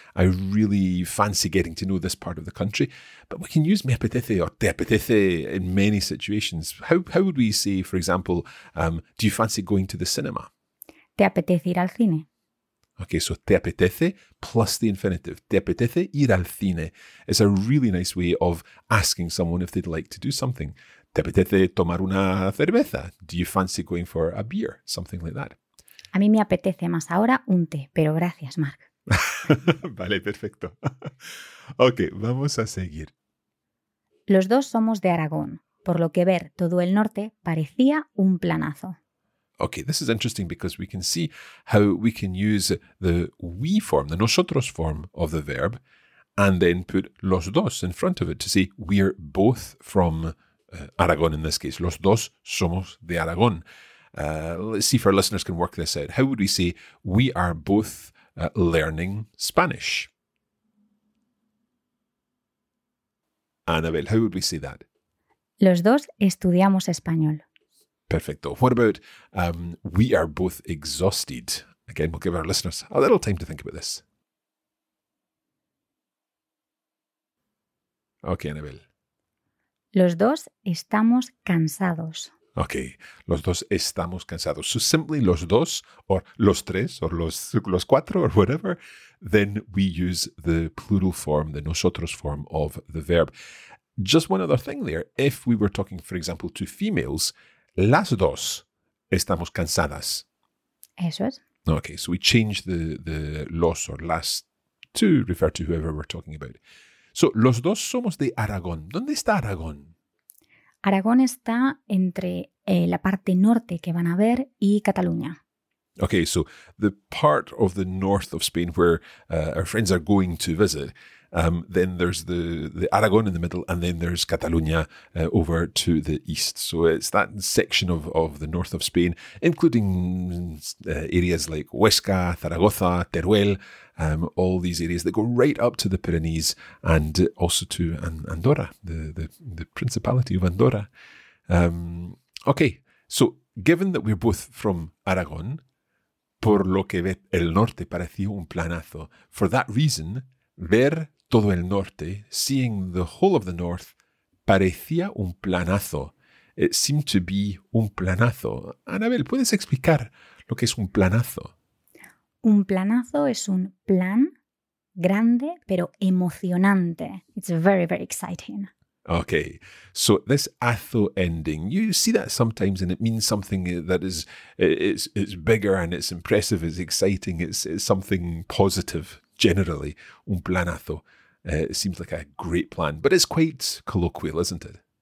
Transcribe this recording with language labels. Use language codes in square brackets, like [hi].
[en] I really fancy getting to know this part of the country. But we can use me apetece or te apetece in many situations. How would we say, for example, do you fancy going to the cinema? [es] Te apetece ir al cine. [en] Okay, so te apetece plus the infinitive. Te apetece ir al cine. It's a really nice way of asking someone if they'd like to do something. [es] ¿Te apetece tomar una cerveza? [en] Do you fancy going for a beer? Something like that. [es] A mí me apetece más ahora un té, pero gracias, Mark. Vale, perfecto. Ok, vamos a seguir. Los dos somos de Aragón, por lo que ver todo el norte parecía un planazo. [en] Ok, this is interesting because we can see how we can use the we form, the nosotros form of the verb, and then put los dos in front of it to say we're both from Aragón in this case. Los dos somos de Aragón. Let's see if our listeners can work this out. How would we say we are both learning Spanish? Anabel, how would we say that? [es] Los dos estudiamos español. Perfecto. [en] What about we are both exhausted? Again, we'll give our listeners a little time to think about this. Okay, Anabel. [es] Los dos estamos cansados. Okay, los dos estamos cansados. [en] So simply los dos, or los tres, or los cuatro, or whatever, then we use the plural form, the nosotros form of the verb. Just one other thing there. If we were talking, for example, to females, las dos estamos cansadas. [es] Eso es. [en] Okay, so we change the los or las to refer to whoever we're talking about. [es] So, los dos somos de Aragón. ¿Dónde está Aragón? Aragón está entre la parte norte que van a ver y Cataluña. [en] Okay, so the part of the north of Spain where our friends are going to visit, then there's the Aragon in the middle, and then there's Catalunya over to the east. So it's that section of the north of Spain, including areas like Huesca, Zaragoza, Teruel, all these areas that go right up to the Pyrenees and also to Andorra, the Principality of Andorra. Okay, so given that we're both from Aragon, por lo que ve el norte pareció un planazo. For that reason, ver todo el norte, seeing the whole of the north, parecía un planazo. It seemed to be un planazo. [es] Anabel, ¿puedes explicar lo que es un planazo? Un planazo es un plan grande, pero emocionante. [en] It's very, very exciting. Okay, so this "-azo ending, you see that sometimes and it means something that is it's bigger and it's impressive, it's exciting, it's something positive, generally. Un planazo seems like a great plan, but it's quite colloquial, isn't it?